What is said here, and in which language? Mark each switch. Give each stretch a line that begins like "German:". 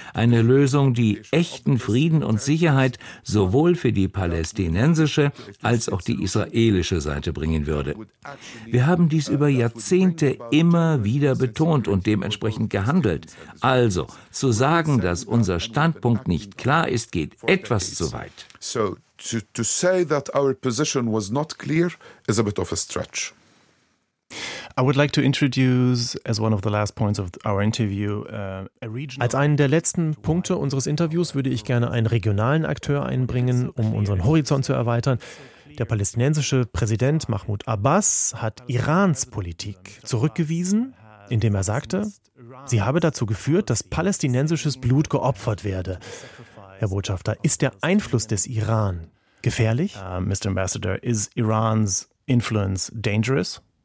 German: Eine Lösung, die echten Frieden und Sicherheit sowohl für die palästinensische als auch die israelische Seite bringen würde. Wir haben dies über Jahrzehnte immer wieder betont und dementsprechend gehandelt. Also, zu sagen, dass unser Standpunkt nicht klar ist, geht etwas zu weit.
English: So, to say that our position was not clear is a bit of a stretch. I would like to introduce as one of the last points of our interview a regional.
German: Als einen der letzten Punkte unseres Interviews würde ich gerne einen regionalen Akteur einbringen, um unseren Horizont zu erweitern. Der palästinensische Präsident Mahmoud Abbas hat Irans Politik zurückgewiesen, indem er sagte, sie habe dazu geführt, dass palästinensisches Blut geopfert werde. Herr Botschafter, ist der Einfluss des Iran gefährlich?
English: Mr. Ambassador, is Iran's influence dangerous?